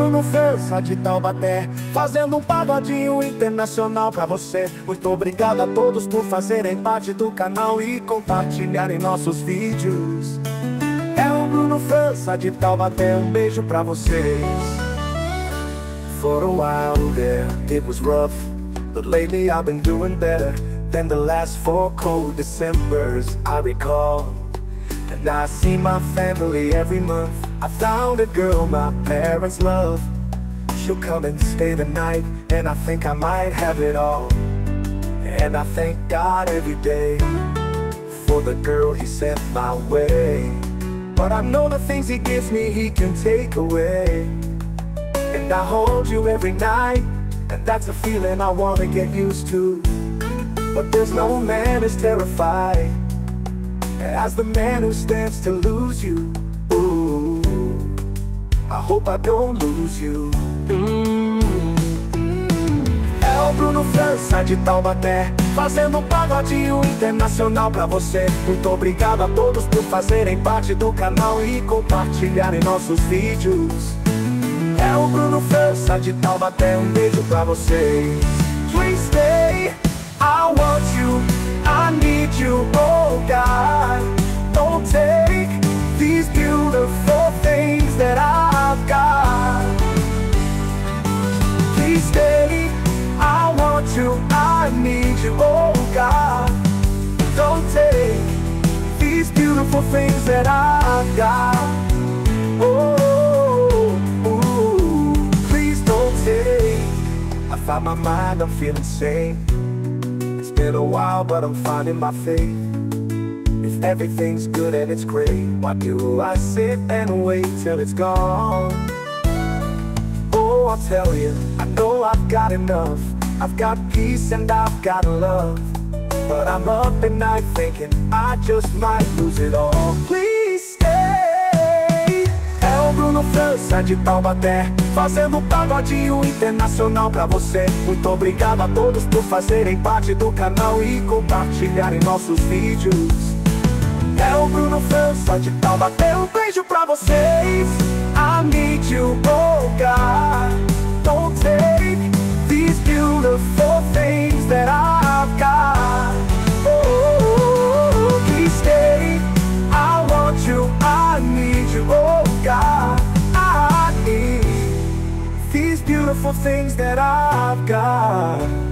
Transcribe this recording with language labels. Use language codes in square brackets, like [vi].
[pt] França de Taubaté, fazendo um pagodinho internacional pra você. Muito obrigado a todos por fazerem parte do canal e compartilharem nossos vídeos. É o Bruno França de Taubaté, um beijo pra vocês. [en] For a while there, it was rough, but lately I've been doing better than the last four cold Decembers I recall. And I see my family every month. I found a girl my parents love. She'll come and stay the night, and I think I might have it all. And I thank God every day for the girl he sent my way. But I know the things he gives me he can take away. And I hold you every night, and that's a feeling I wanna get used to. But there's no man as terrified as the man who stands to lose you. Ooh, I hope I don't lose you. [pt] É o Bruno França de Taubaté, fazendo um pagodinho internacional pra você. Muito obrigado a todos por fazerem parte do canal e compartilharem nossos vídeos. É o Bruno França de Taubaté, um beijo pra vocês. [en] Please stay, I want you, I need you, oh God. Don't take these beautiful things that I've got. Stay, I want you, I need you, oh God. Don't take these beautiful things that I've got. Oh, ooh, please don't take. I found my mind, I'm feeling sane. It's been a while, but I'm finding my faith. If everything's good and it's great, why do I sit and wait till it's gone? I'll tell you, I know I've got enough. I've got peace and I've got love. But I'm up at night thinking I just might lose it all. Please stay. [pt] É o Bruno França de Taubaté, fazendo um pagodinho internacional pra você. Muito obrigado a todos por fazerem parte do canal e compartilharem nossos vídeos. É o Bruno França de Taubaté, um beijo pra vocês. [en] I need you, oh God. Don't take these beautiful things that I've got. Oh, please stay. I want you, I need you, oh God. I need these beautiful things that I've got.